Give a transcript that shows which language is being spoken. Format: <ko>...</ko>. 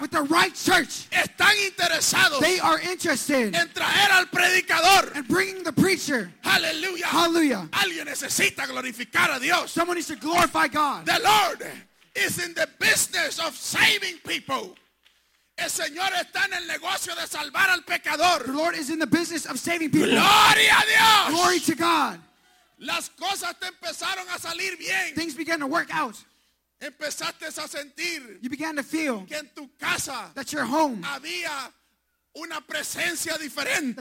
<en>With the right church.</en> <es>Están interesados.</es> <en>They are interested.</en> <es>En traer al predicador.</es> <en>And bringing the preacher. Hallelujah. Hallelujah.</en> <es>Alguien necesita glorificar a Dios.</es> <en>Someone needs to glorify God. The Lord is in the business of saving people.</en> <es>El Señor está en el negocio de salvar al pecador.</es> <en>The Lord is in the business of saving people.</en> <es>Gloria a Dios.</es> <en>Glory to God.</en> <es>Las cosas te empezaron a salir bien.</es> <en>Things began to work out.</en> <es>Empezaste a sentir.</es> <en>You began to feel.</en> <es>Que en tu casa.</es> <en>That your home.</en> <es>Había una presencia diferente.</es>